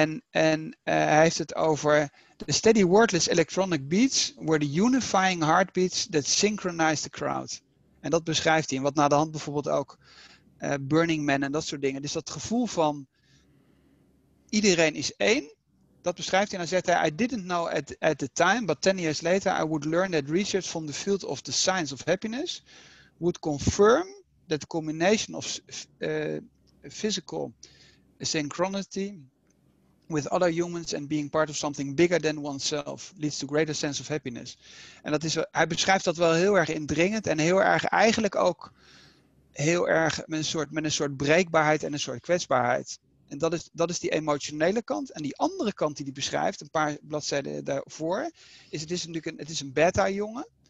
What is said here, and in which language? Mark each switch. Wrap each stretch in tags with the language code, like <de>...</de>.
<nl>En hij heeft het over</nl> <en>the steady wordless electronic beats were the unifying heartbeats that synchronized the crowd.</en> <nl>En dat beschrijft hij. En wat na de hand bijvoorbeeld ook Burning Man en dat soort dingen. Dus dat gevoel van iedereen is één. Dat beschrijft hij. En dan zegt hij,</nl> <en>I didn't know at the time, but 10 years later I would learn that research from the field of the science of happiness would confirm that the combination of physical synchronicity with other humans and being part of something bigger than oneself leads to greater sense of happiness.</en> <nl>En dat is, hij beschrijft dat wel heel erg indringend en heel erg eigenlijk ook heel erg met een soort breekbaarheid en een soort kwetsbaarheid. En dat is die emotionele kant. En die andere kant die hij beschrijft, een paar bladzijden daarvoor, is het is natuurlijk een beta-jongen.</nl>